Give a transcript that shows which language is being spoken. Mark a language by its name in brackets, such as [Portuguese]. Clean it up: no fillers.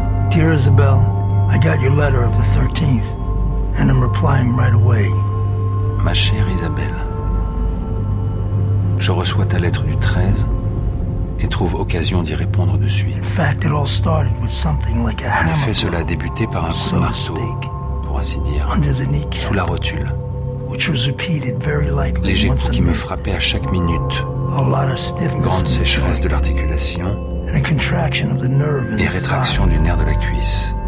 [English] Dear Isabel, I got your letter of the 13th, and I'm replying right away. [French] Ma chère Isabelle, je reçois ta lettre du 13 et trouve occasion d'y répondre de suite. [English] In fact, it all started with something like a hammer. [French] En effet, cela a débuté par un coup de marteau, pour ainsi dire, [English] under the kneecap, [French] sous la rotule. [English] Which was repeated very lightly. [French] Léger coup qui me frappait à chaque minute. [English] A lot of stiffness. [French] Grande sécheresse de l'articulation. [English] And a contraction of the nerve in [French] et rétraction du nerf de la cuisse.